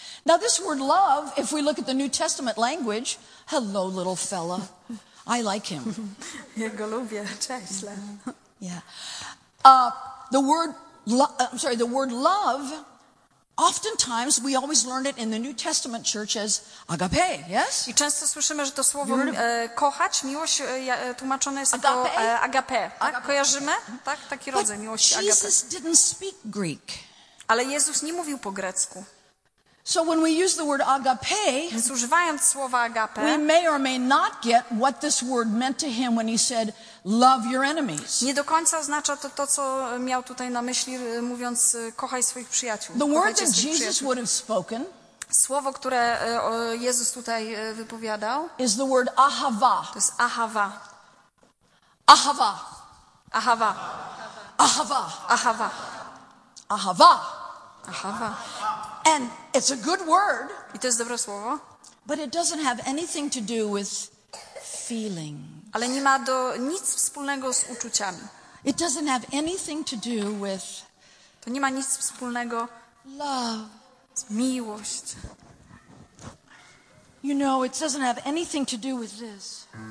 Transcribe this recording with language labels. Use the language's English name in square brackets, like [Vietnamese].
[English] Now this word love, if we look at the New Testament language, hello little fella, I like him. [Polish] Jego lubię, cześć. [English] Yeah. The word love, oftentimes we always learn it in the New Testament church as agape, yes? [Polish] I często słyszymy, że to słowo kochać, miłość tłumaczone jest agape? Jako agape, tak? Agape. Kojarzymy? Tak? Taki rodzaj miłości agape. [English] Jesus didn't speak Greek. [Polish] Ale Jezus nie mówił po grecku. [English] So when we use the word agape, [Polish] więc używając słowa agape, [English] we may or may not get what this word meant to him when he said, "Love your enemies." [Polish] Nie do końca oznacza to, co miał tutaj na myśli, mówiąc, kochaj swoich przyjaciół. [English] The word that Jesus would have spoken, [Polish] słowo, które Jezus tutaj wypowiadał, [English] is the word ahava. [Polish] To jest ahava. Ahava. Ahava. Ahava. Ahava. Ahava. Ahava. [English] And it's a good word. [Polish] I to jest dobre słowo. [English] But it doesn't have anything to do with feeling. [Polish] Ale nie ma nic wspólnego z uczuciami. [English] It doesn't have anything to do with. [Polish] To nie ma nic wspólnego. [English] Love. [Polish] Z miłość. [English] You know, it doesn't have anything to do with this.